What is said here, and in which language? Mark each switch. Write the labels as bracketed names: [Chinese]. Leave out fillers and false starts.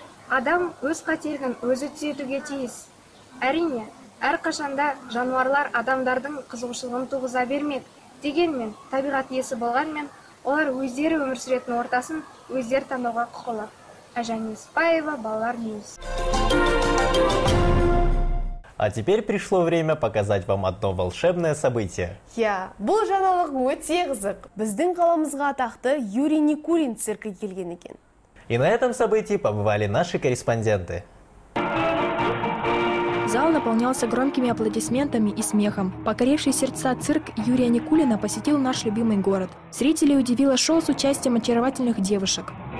[Kazakh] Адам өз қателігін өзі түзетуге тиіс. Әрине, әр қашанда жануарлар адамдардың қызығушылығын туғыза бермек. Дегенмен, табиғат иесі болғанмен, олар өздері өмір сүретін ортасын өздері таңдауға құқылы. Әжан Еспаева, Балалар Ньюс. [Russian] А теперь пришло время показать вам одно волшебное событие. [Kazakh] Я бұл жаналық өте қызық. Біздің қаламызға атақты Юрий Никулин циркі келген екен. [Russian] И на этом событии побывали наши корреспонденты. Зал наполнялся громкими аплодисментами и смехом. Покоривший сердца цирк Юрия Никулина посетил наш любимый город. Зрителей удивило шоу с участием очаровательных девушек.